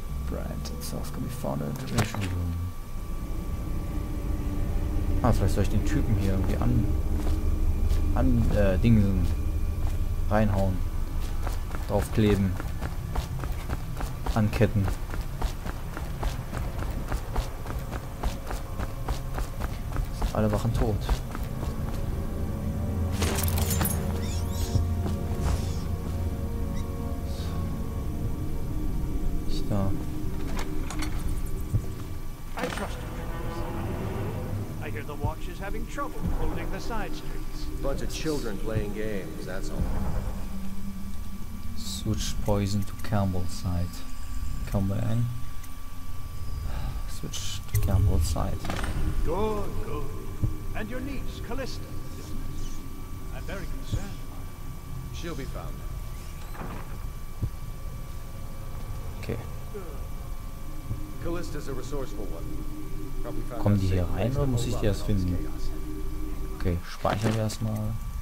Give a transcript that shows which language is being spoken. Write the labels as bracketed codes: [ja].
[en] Brand itself can be found in the mission room. [de] Ah, vielleicht soll ich den Typen hier irgendwie dingsen. Reinhauen. Draufkleben. Anketten. Alle wachen tot. Ich da. [en] I trust you. I hear the watch is having trouble holding the side streets. Bunch of children playing games, that's all. Switch poison to Campbell's side. Come back. Switch to Campbell's side. Good, good. And your niece, Callista. I'm very concerned. She'll be found. Okay. Callista's a resourceful one. [de] Kommen die hier rein oder muss ich die erst finden? Okay, speichern wir erstmal.